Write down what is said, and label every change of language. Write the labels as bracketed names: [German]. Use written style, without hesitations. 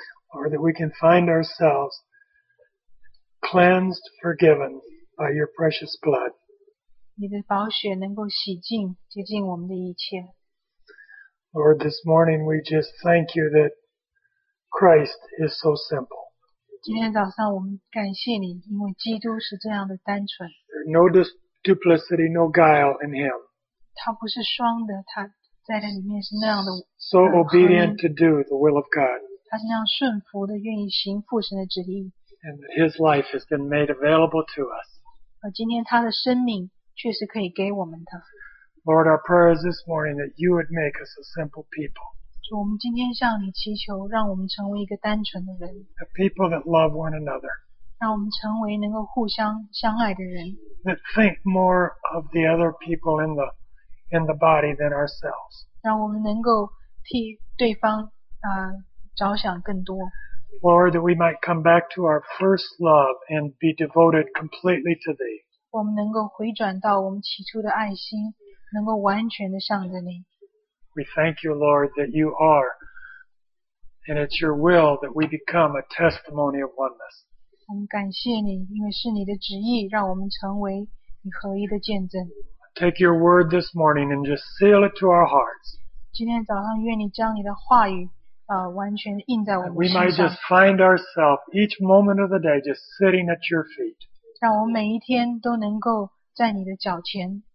[English] Lord, that we can find ourselves cleansed, forgiven by your precious blood. [Chinese] 你的宝血能够洗净、洁净我们的一切。 [English] Lord, this morning we just thank you that Christ is so simple. [Chinese] 今天早上我们感谢你，因为基督是这样的单纯。 [English] There's no duplicity, no guile in him. [Chinese] 他不是双的，他在他里面是那样的。 [English] So obedient to do the will of God. [Chinese] 他是那样顺服的，愿意行父神的旨意。 [English] And his life has been made available to us. [Chinese] 而今天他的生命确实可以给我们的。 [English] Lord, our prayer is this morning that you would make us a simple people. [Chinese] 主，我们今天向你祈求，让我们成为一个单纯的人。 [English] A people that love one another. [Chinese] 让我们成为能够互相相爱的人。 [English] That think more of the other people in the body than ourselves. [Chinese] 让我们能够替对方着想更多。 [English] Lord, that we might come back to our first love and be devoted completely to Thee. [Chinese] 我们能够回转到我们起初的爱心，能够完全的向着你。 [English] We thank you, Lord, that you are, and it's your will that we become a testimony of oneness. [Chinese] 我们感谢你，因为是你的旨意，让我们成为你合一的见证。 [English] Take your word this morning and just seal it to our hearts. [Chinese] 今天早上愿你将你的话语完全印在我们的心上。 [English] We might just find ourselves each moment of the day just sitting at your feet. [Chinese] 让我们每一天都能够在你的脚前。